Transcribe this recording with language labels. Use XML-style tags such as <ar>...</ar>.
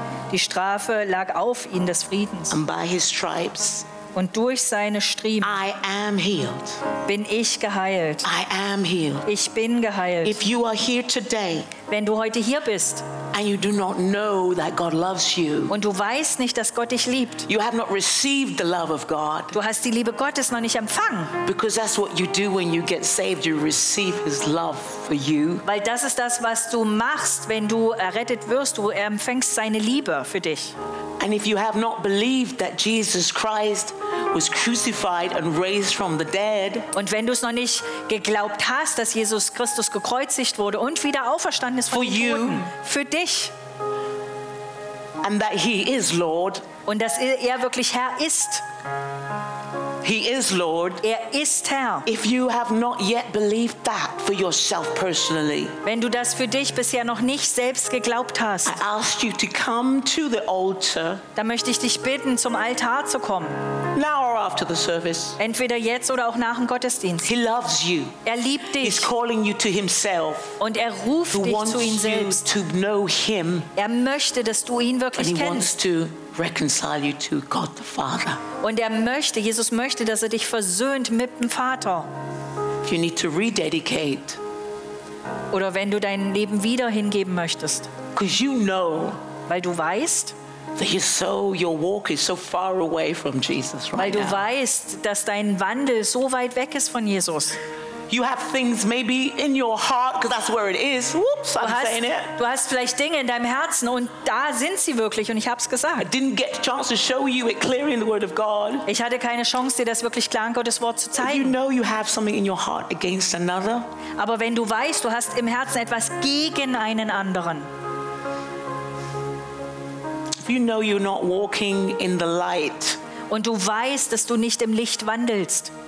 <de>Die Strafe lag auf ihn des Friedens.</de> <en>And by his stripes.</en> <de>Und durch seine Striemen.</de> <en>I am healed.</en> <de>Bin ich geheilt.</de> <en>I am healed.</en> <de>Ich bin geheilt.</de> <en>If you are here today.</en> <de>Wenn du heute hier bist.</de> <en>And you do not know that God loves you.</en> <de>Und du weißt nicht, dass Gott dich liebt.</de> <en>You have not received the love of God.</en> <de>Du hast die Liebe Gottes noch nicht empfangen.</de> <en>Because that's what you do when you get saved. You receive His love for you.</en> <de>Weil das ist das, was du machst, wenn du errettet wirst. Du empfängst seine Liebe für dich.</de> <en>And if you have not believed that Jesus Christ was crucified and raised from the dead.</en> <de>Und wenn du es noch nicht geglaubt hast, dass Jesus Christus gekreuzigt wurde und wieder auferstanden ist von den Toten, für dich.</de> <en>And that he is Lord.</en> <de>Und dass er wirklich Herr ist.</de> <en>He is Lord.</en> <de>Er ist Herr.</de> <en>If you have not yet believed that for yourself personally.</en> <de>Wenn du das für dich bisher noch nicht selbst geglaubt hast.</de> <en>I ask you to come to the altar.</en> <de>Dann möchte ich dich bitten, zum Altar zu kommen.</de> <en>Now or after the service.</en> <de>Entweder jetzt oder auch nach dem Gottesdienst.</de> <en>He loves you.</en> <de>Er liebt dich.</de> <en>He's calling you to himself.</en> <de>Und er ruft dich zu ihm selbst.</de> <en>To know him.</en> <de>Er möchte, dass du ihn wirklich</de> <en>and he</en> <de>kennst.</de> <en>Wants to reconcile you to God the Father.</en> <de>Und er möchte, Jesus möchte, dass er dich versöhnt mit dem Vater.</de> <en>If you need to rededicate.</en> <de>Oder wenn du dein Leben wieder hingeben möchtest.</de> <en>Because you know.</en> <de>Weil du weißt.</de> <en>That you're so, your walk is so far away from Jesus right</en> <de>weil du</de> <en>now.</en> <de>Weißt, dass dein Wandel so weit weg ist von Jesus.</de> <en>You have things maybe in your heart, because that's where it is. Whoops, I'm saying it.</en> <de>Du hast vielleicht Dinge in deinem Herzen und da sind sie wirklich und ich hab's gesagt.</de> <en>I didn't get a chance to show you it clearly in the Word of God.</en> <de>Ich hatte keine Chance, dir das wirklich klar in Gottes Wort zu zeigen.</de> <en>You know you have something in your heart against another.</en> <de>Aber wenn du weißt, du hast im Herzen etwas gegen einen anderen.</de> <en>If you know you're not walking in the light.</en> <de>Und du weißt, dass du nicht im Licht wandelst.</de>